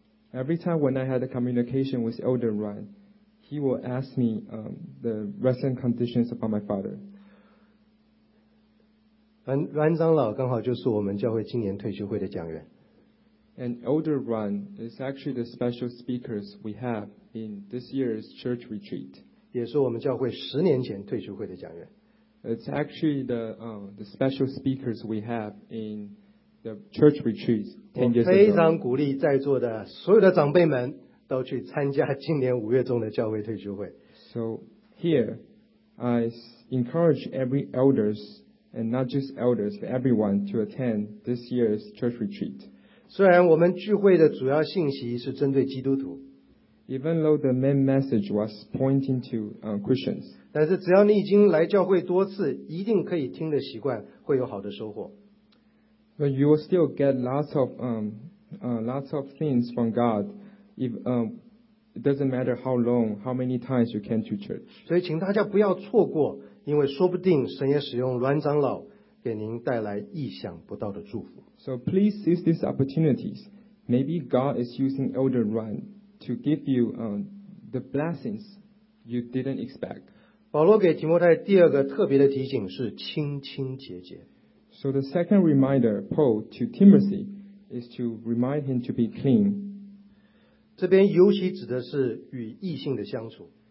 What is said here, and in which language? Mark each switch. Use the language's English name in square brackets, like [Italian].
[English] Every time when I had a communication with Elder Ryan, he will ask me the recent conditions about my father. [Chinese] 阮长老刚好就是我们教会今年退休会的讲员。 [English] And Elder Ryan is actually the special speakers we have in this year's church retreat. [Chinese] 也是我们教会十年前退休会的讲员。 [English] It's actually the special speakers we have in. The church retreats, 10 years ago. [Chinese] 我非常鼓励在座的所有的长辈们都去参加今年五月中的教会退休会。 [English] So here, I encourage every elders and not just elders, but everyone to attend this year's church retreat. [Chinese] 虽然我们聚会的主要信息是针对基督徒。 [English] Even though the main message was pointing to Christians. [Chinese] 但是只要你已经来教会多次，一定可以听的习惯，会有好的收获。 [English] But you will still get lots of things from God. It doesn't matter how long, how many times you came to church. [Chinese] 所以请大家不要错过，因为说不定神也使用阮长老给您带来意想不到的祝福。 [English] So please seize these opportunities. Maybe God is using Elder Ruan to give you the blessings you didn't expect. [Chinese] 保罗给提摩太第二个特别的提醒是清清洁洁。 [English] So the second reminder Paul to Timothy is to remind him to be clean. [Chinese] 这边尤其指的是与异性的相处。